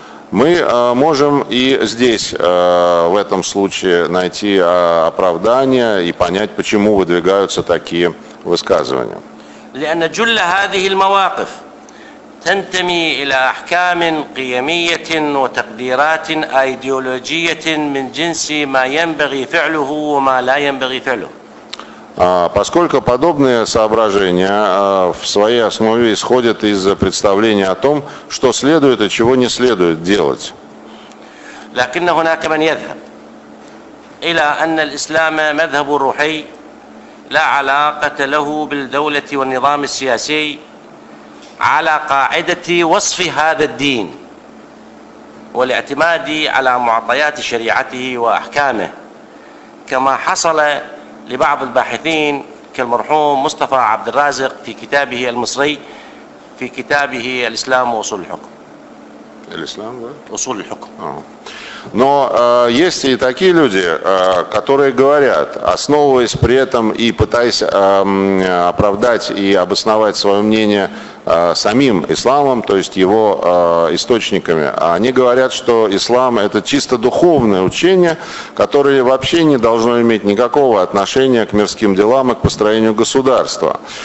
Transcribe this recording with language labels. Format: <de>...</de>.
<ru>Мы можем и здесь, в этом случае, найти оправдание и понять, почему выдвигаются такие высказывания.</ru> <ar>لأن جل هذه المواقف تنتمي إلى أحكام قيمية وتقديرات أيديولوجية من جنس ما ينبغي فعله وما لا ينبغي فعله.</ar> <ru>Поскольку подобные соображения в своей основе исходят из представления о том, что следует и чего не следует делать.</ru> <ar>لكن هناك من يذهب إلى أن الإسلام مذهب روحي. لا علاقة له بالدولة والنظام السياسي على قاعدة وصف هذا الدين والاعتماد على معطيات شريعته وأحكامه كما حصل لبعض الباحثين كالمرحوم مصطفى عبد الرازق في كتابه المصري في كتابه الإسلام وأصول الحكم. الإسلام وأصول الحكم.</ar> <ru>Но есть и такие люди, которые говорят, основываясь при этом и пытаясь оправдать и обосновать свое мнение самим исламом, то есть его источниками, они говорят, что ислам – это чисто духовное учение, которое вообще не должно иметь никакого отношения к мирским делам и к построению государства.</ru>